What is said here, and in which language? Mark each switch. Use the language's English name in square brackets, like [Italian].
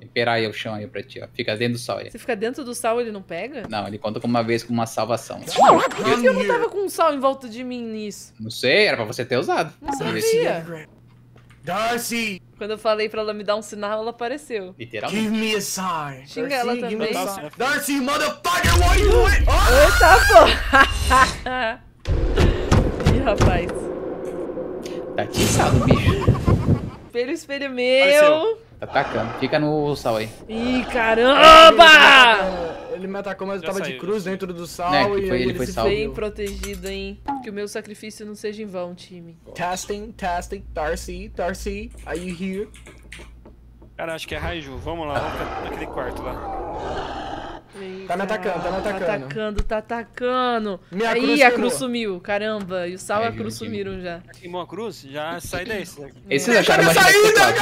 [Portuguese] Esperar aí o chão aí pra ti, ó. Fica dentro do sal aí. Você fica dentro do sal, ele não pega? Não, ele conta com uma vez com uma salvação. Por que eu não tava com sal em volta de mim nisso? Não sei, era pra você ter usado. Não sabia. Darcy! Quando eu falei pra ela me dar um sinal, ela apareceu. Literalmente. [English] Give me a sign. [Portuguese] Xinga Darcy, ela também. [English] Darcy, motherfucker, why you doing? [Portuguese] Oh! Eita, porra! Ih, rapaz. Tá te salvo, bicho. Espelho, espelho meu. Apareceu. Tá atacando, fica no sal aí. Ih, caramba! Ele me atacou, mas eu tava de cruz dentro do sal. É, que foi, e ele foi salvo. Bem protegido, hein. Que o meu sacrifício não seja em vão, time. [English] Testing, testing, Darcy, Darcy, are you here? [Portuguese] Cara, acho que é Raiju, vamos lá, naquele quarto lá. Tá me atacando, tá me atacando. Tá atacando, tá atacando. Minha aí, cruz a cruz sumiu, caramba. E o sal e a cruz sumiram já. Queimou a cruz? Já sai desse. Esse já tá saindo!